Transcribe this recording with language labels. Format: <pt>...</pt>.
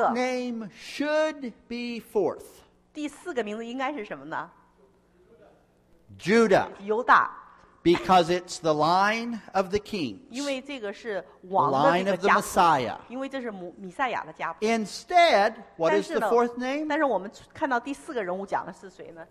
<en>What name should be fourth?</en> <zh>第四个名字应该是什么呢？</zh> <en>Judah.</en> <zh>犹大。</zh> <en>Because it's the line of the kings.</en> <zh>因为这个是王的这个家谱。</zh> <en>Line of the Messiah.</en> <zh>因为这是弥赛亚的家谱。</zh> <en>Instead, what is the fourth name?</en> <zh>但是我们看到第四个人物讲的是谁呢？</zh>